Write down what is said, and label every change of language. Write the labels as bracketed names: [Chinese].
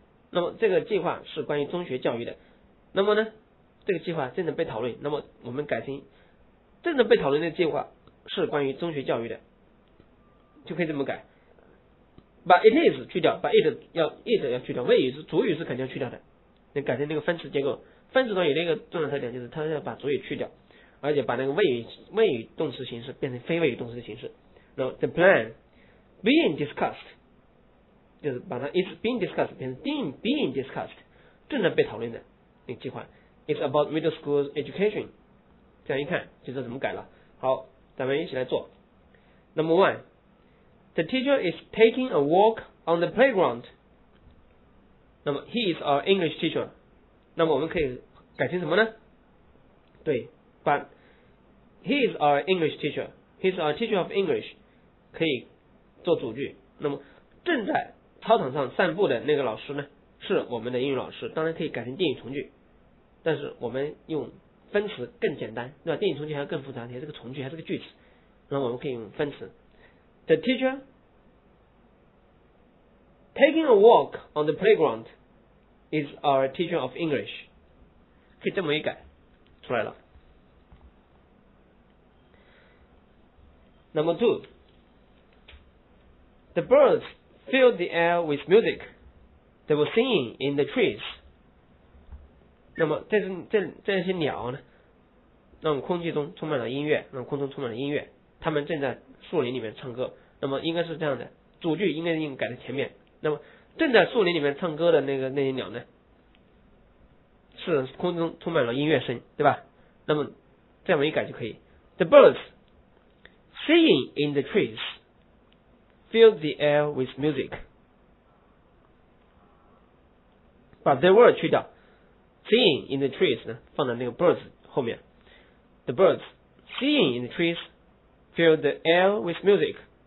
[Chinese] 那么这个计划是关于中学教育的，那么呢这个计划正在被讨论，那么我们改成正在被讨论的计划是关于中学教育的，就可以这么改，把 it is 去掉，把 it 要去掉，谓语是主语是肯定要去掉的，那改成那个分词结构，分词短语的一个重要特点就是它要把主语去掉，而且把那个谓语动词形式变成非谓语动词的形式。 [English] 那 the plan being discussed 就是把它 is being discussed 变成 being discussed [Chinese] 正在被讨论的那个计划， [English] it's about middle school education。 [Chinese] 这样一看就知道怎么改了。好，咱们一起来做。 [English] Number 1, the teacher is taking a walk on the playground. 那么 he is our English teacher. [Chinese] 那么我们可以改成什么呢？对，把 [English] he is our English teacher He's a teacher of English. [Chinese] 可以做主句。那么正在操场上散步的那个老师呢，是我们的英语老师，当然可以改成定语从句。但是我们用分词更简单，对吧？定语从句还要更复杂，还是个从句，还是个句子。那我们可以用分词。 [English] The teacher taking a walk on the playground is our teacher of English. [Chinese] 可以这么一改，出来了。 [English] Number two, the birds filled the air with music. They were singing in the trees. [Chinese] 那么这些鸟呢，让空气中充满了音乐，让空中充满了音乐。他们正在树林里面唱歌。那么应该是这样的，主句应该应改在前面。那么正在树林里面唱歌的那些鸟呢，是空中充满了音乐声，对吧？那么这样一改就可以。 [English] The birds. Singing in the trees filled the air with music. [Chinese] 把 the word 去掉， [English] Singing in the trees [Chinese] 呢，放在那个 birds 后面。 [English] The birds singing in the trees filled the air with music.